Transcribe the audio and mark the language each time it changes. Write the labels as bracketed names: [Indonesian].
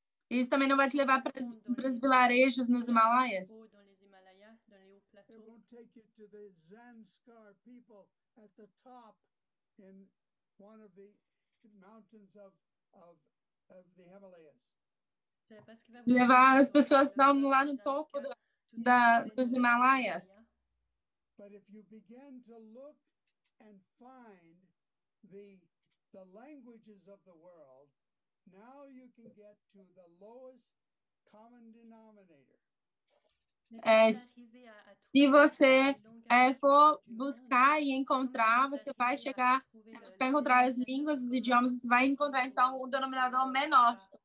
[Portuguese] Isso também não vai te levar para os vilarejos nos Himalaias. [English] Take you to the Zanskar people at the top in one of the mountains of the Himalayas. [Portuguese] Levar as pessoas lá no topo dos Himalaias. [English] But if you begin to look and find the languages of the world, now you can get to the lowest common denominator. [Portuguese] Se você for buscar e encontrar, você vai chegar a buscar encontrar as línguas, os idiomas, você vai encontrar, então, o denominador menor.